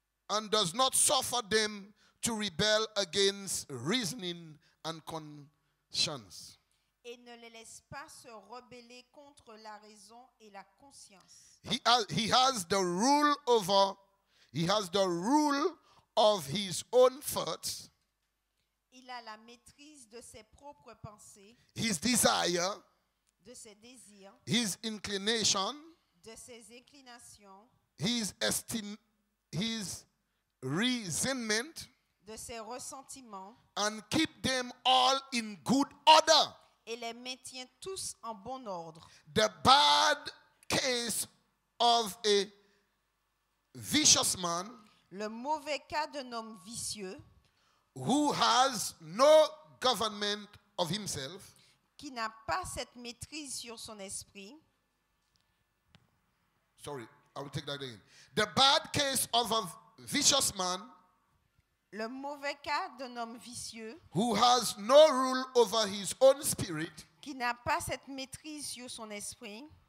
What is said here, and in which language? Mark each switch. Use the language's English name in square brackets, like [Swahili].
[English] And does not suffer them to rebel against reasoning and conscience. [French] Et ne les laisse pas se rebeller contre la raison et la conscience. [English] He has the rule of his own thoughts. [French] Il a la maîtrise de ses propres pensées. [English] His desire. [French] De ses désirs, [English] his inclination, [French] de ses inclinations, [English] his esteem, his resentment, [French] de ses ressentiments, [English] and keep them all in good order. [French] Et les maintient tous en bon ordre. [English] The bad case of a vicious man, [French] le mauvais cas d'un homme vicieux, [English] who has no government of himself, [French] qui n'a pas cette maîtrise sur son esprit. [English] Sorry, I will take that again. The bad case of a vicious man, [French] le mauvais cas d'un homme vicieux, [English] who has no rule over his own spirit, [French] qui n'a pas cette maîtrise sur son esprit,